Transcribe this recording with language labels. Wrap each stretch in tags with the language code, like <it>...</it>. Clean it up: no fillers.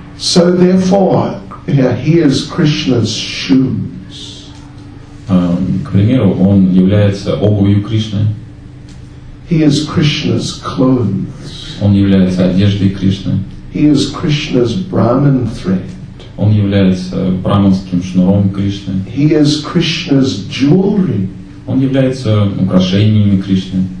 <en>So therefore, yeah, he is Krishna's shoes.</en> <ru>К примеру, он является обувью Кришны.</ru> <en>He is Krishna's clothes.</en> <ru>Он является одеждой Кришны.</ru> <en>He is Krishna's Brahman thread.</en> <ru>Он является браманским шнуром Кришны.</ru> <en>He is Krishna's jewelry.</en> <ru>Он является украшениями Кришны.</ru>